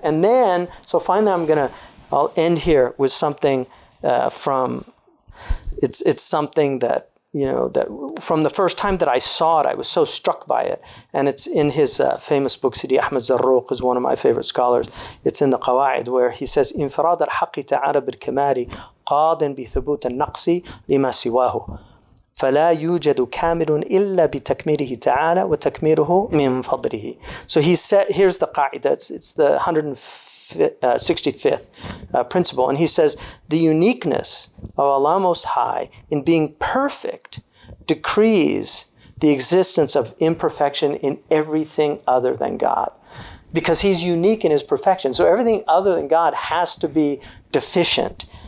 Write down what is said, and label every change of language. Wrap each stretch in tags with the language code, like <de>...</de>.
<en>And then, so finally, I'll end here with something from it's something that you know that from the first time that I saw it, I was so struck by it, and it's in his famous book. Sidi Ahmed Zarruq is one of my favorite scholars. It's in the Qawaid where he says,</en> <ar>"Infirad al haqqi ta'ala bil kamali." قَادٍ بِثُبُوتَ النَّقْصِ لِمَا سِوَاهُ فَلَا يُوجَدُ كَامِلٌ إِلَّا بِتَكْمِيرِهِ تَعَالَى وَتَكْمِيرُهُ مِنْ فَضْرِهِ.</ar> <en>So he said, here's the qa'idah, it's the 65th principle. And he says, the uniqueness of Allah Most High in being perfect decrees the existence of imperfection in everything other than God. Because he's unique in his perfection. So everything other than God has to be deficient.</en>